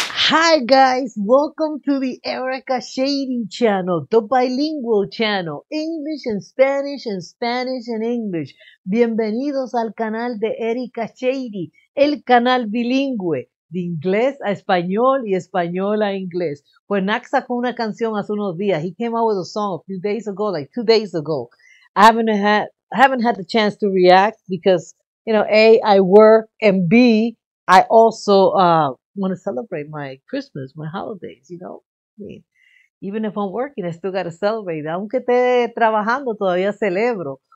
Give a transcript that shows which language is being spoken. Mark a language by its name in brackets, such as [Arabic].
[English] Hi guys, welcome to the Erica Shady channel, the bilingual channel, English and Spanish and Spanish and English. [Spanish] Bienvenidos al canal de Erica Shady, el canal bilingüe, de inglés a español y español a inglés. Pues Knox sacó una canción hace unos días. [English] He came out with a song a few days ago, like 2 days ago. I haven't had the chance to react because, you know, A, I work, and B, I also want to celebrate my Christmas, my holidays, you know? I mean, even if I'm working, I still got to celebrate. [Spanish] Aunque esté trabajando, todavía celebro.